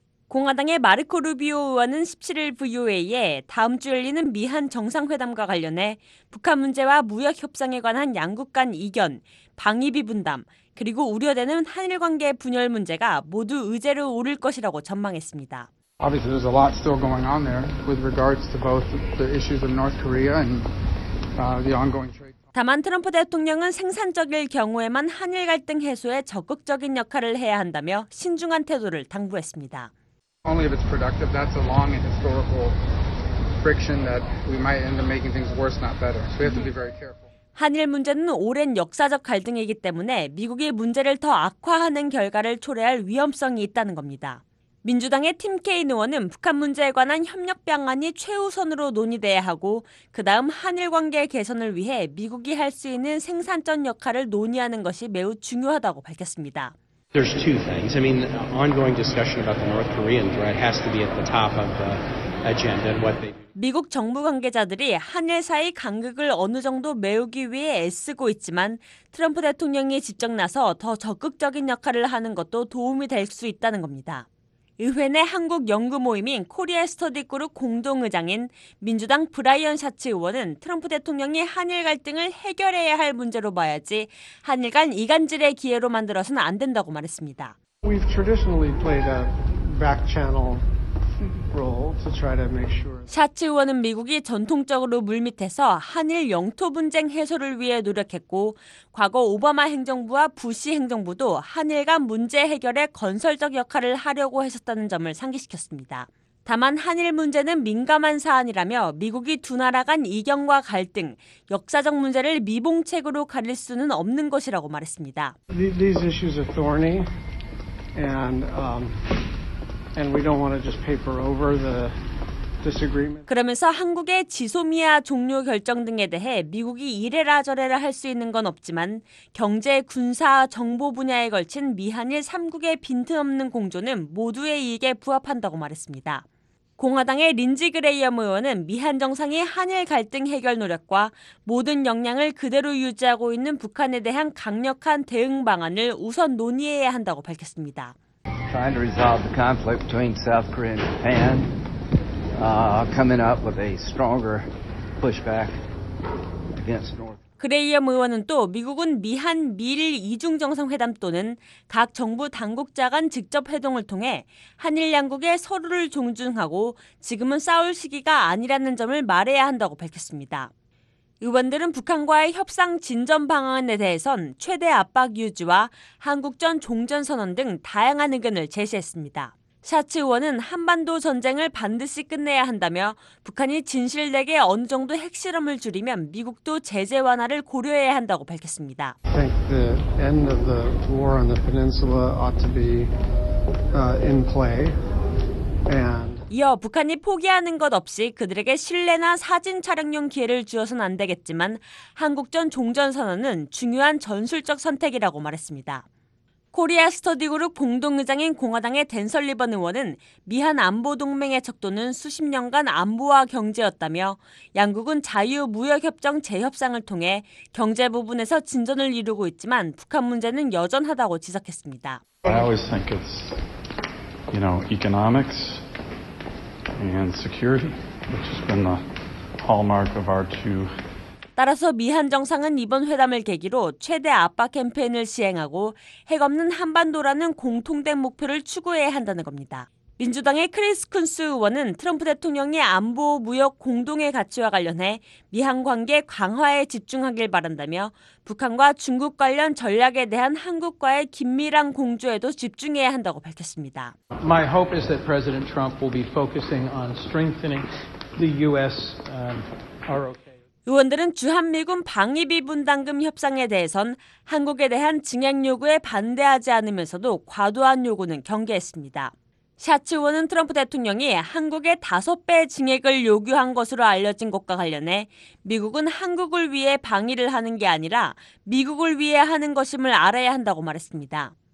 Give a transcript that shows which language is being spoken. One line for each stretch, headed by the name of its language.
Korean: 공화당의 마르코 루비오 의원은 17일 VOA에 다음 주 열리는 미한정상회담과 관련해 북한 문제와 무역협상에 관한 양국 간 이견, 방위비 분담, 그리고 우려되는 한일관계 분열 문제가 모두 의제로 오를 것이라고 전망했습니다.
English: Obviously, there's a lot still going on there with regards to both the issues of North Korea and the ongoing trade.
Korean: 다만 트럼프 대통령은 생산적일 경우에만 한일 갈등 해소에 적극적인 역할을 해야 한다며 신중한 태도를 당부했습니다.
English: Only if it's productive. That's a long and historical friction that we might end up making things worse, not better. So we have to be very careful.
Korean: 한일 문제는 오랜 역사적 갈등이기 때문에 미국이 문제를 더 악화하는 결과를 초래할 위험성이 있다는 겁니다. 민주당의 팀 케인 의원은 북한 문제에 관한 협력 방안이 최우선으로 논의돼야 하고 그다음 한일 관계 개선을 위해 미국이 할 수 있는 생산적 역할을 논의하는 것이 매우 중요하다고 밝혔습니다.
English: There's two things. I mean, ongoing discussion about the North Korean threat has to be at the top of the agenda and what they
Korean: 미국 정부 관계자들이 한일 사이 간극을 어느 정도 메우기 위해 애쓰고 있지만 트럼프 대통령이 직접 나서 더 적극적인 역할을 하는 것도 도움이 될 수 있다는 겁니다. 의회 내 한국 연구 모임인 코리아 스터디 그룹 공동의장인 민주당 브라이언 샤츠 의원은 트럼프 대통령이 한일 갈등을 해결해야 할 문제로 봐야지 한일 간 이간질의 기회로 만들어서는 안 된다고 말했습니다.
English: We've traditionally played a back channel role to try to make sure.
Korean: 샤츠 의원은 미국이 전통적으로 물밑에서 한일 영토 분쟁 해소를 위해 노력했고 과거 오바마 행정부와 부시 행정부도 한일 간 문제 해결에 건설적 역할을 하려고 했었다는 점을 상기시켰습니다. 다만 한일 문제는 민감한 사안이라며 미국이 두 나라 간 이견과 갈등, 역사적 문제를 미봉책으로 가릴 수는 없는 것이라고 말했습니다.
English: These issues are thorny and we don't want to just paper over the
Korean: 그러면서 한국의 지소미아 종료 결정 등에 대해 미국이 이래라 저래라 할 수 있는 건 없지만 경제, 군사, 정보 분야에 걸친 미한일 3국의 빈틈없는 공조는 모두의 이익에 부합한다고 말했습니다. 공화당의 린지 그레이엄 의원은 미한 정상이 한일 갈등 해결 노력과 모든 역량을 그대로 유지하고 있는 북한에 대한 강력한 대응 방안을 우선 논의해야 한다고 밝혔습니다.
English: Trying to resolve the conflict between South Korea and Japan. Coming up with a stronger pushback against North.
Korean: 그레이엄 의원은 또 미국은 미한 미일 이중 정상회담 또는 각 정부 당국자 간 직접 회동을 통해 한일 양국의 서로를 존중하고 지금은 싸울 시기가 아니라는 점을 말해야 한다고 밝혔습니다. 의원들은 북한과의 협상 진전 방안에 대해선 최대 압박 유지와 한국전 종전 선언 등 다양한 의견을 제시했습니다. 샤츠 의원은 한반도 전쟁을 반드시 끝내야 한다며 북한이 진실되게 어느 정도 핵실험을 줄이면 미국도 제재 완화를 고려해야 한다고 밝혔습니다.
English: I think the end of the war on the peninsula ought to be in play. And
Korean: 이어 북한이 포기하는 것 없이 그들에게 실내나 사진 촬영용 기회를 주어서는 안 되겠지만 한국전 종전선언은 중요한 전술적 선택이라고 말했습니다. 코리아 스터디그룹 공동의장인 공화당의 댄 설리번 의원은 미한 안보 동맹의 척도는 수십 년간 안보와 경제였다며 양국은 자유무역협정 재협상을 통해 경제 부분에서 진전을 이루고 있지만 북한 문제는 여전하다고 지적했습니다.
English: I always think it's, you know, economics and security, which has been the hallmark of our two.
Korean: 따라서 미한 정상은 이번 회담을 계기로 최대 압박 캠페인을 시행하고 핵 없는 한반도라는 공통된 목표를 추구해야 한다는 겁니다. 민주당의 크리스 쿤스 의원은 트럼프 대통령이 안보 무역 공동의 가치와 관련해 미한 관계 강화에 집중하길 바란다며 북한과 중국 관련 전략에 대한 한국과의 긴밀한 공조에도 집중해야 한다고 밝혔습니다.
English: My hope is that President Trump will be focusing on strengthening the U.S. ROK.
Korean: 의원들은 주한미군 방위비 분담금 협상에 대해선 한국에 대한 증액 요구에 반대하지 않으면서도 과도한 요구는 경계했습니다. 샤츠 의원은 트럼프 대통령이 한국에 5배 증액을 요구한 것으로 알려진 것과 관련해 미국은 한국을 위해 방위를 하는 게 아니라 미국을 위해 하는 것임을 알아야 한다고 말했습니다.